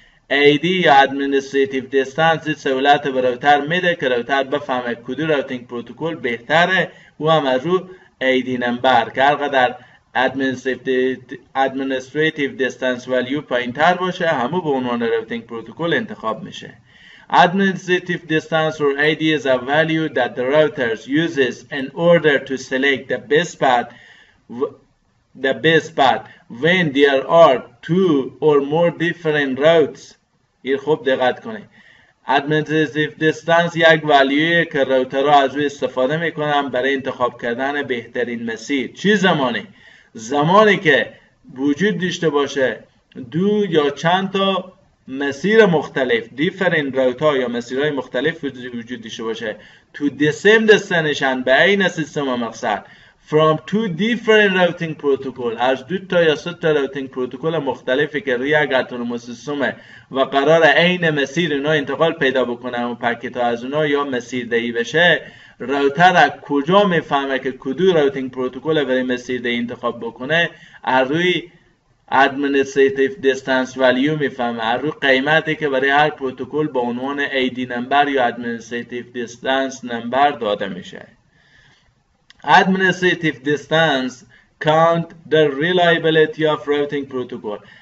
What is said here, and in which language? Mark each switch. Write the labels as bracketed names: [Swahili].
[Persian] AD یا Administrative Distance این سهولت به راوتر میده که راوتر بفهمه کدو راوتینگ پروتکل بهتره، او هم از رو AD نمبر که هر قدر Administrative Distance Value پایین تر باشه همو به عنوان راوتینگ پروتکل انتخاب میشه. [English] Administrative distance or AD is a value that the routers uses in order to select the best path when there are two or more different routes. [Persian] این خوب دقت کنید. Administrative distance یک value که روترها از او استفاده میکنن برای انتخاب کردن بهترین مسیر. چی زمانی؟ زمانی که وجود داشته باشه دو یا چند تا مسیر مختلف different route ها یا مسیرهای مختلف وجود داشته باشه [English] to the same destination [Persian] به این سیستم مقصد [English] from two different routing protocol، [Persian] از دو تا یا سه تا روتینگ پروتکل مختلفی که روی اگر اتونوموس و قرار عین مسیر اونها انتقال پیدا بکنه و پکت ها از اونها یا مسیر دهی بشه، روتر از کجا میفهمه که کدوم روتینگ پروتکل برای مسیر دهی انتخاب بکنه؟ از روی ادمنستریتیو دیستنس والیو میفهمه، از روی قیمتی که برای هر پروتکل با عنوان ID نمبر یا ادمنستریتیو دیستنس نمبر داده میشه. [English] Administrative distance count the reliability of routing protocol.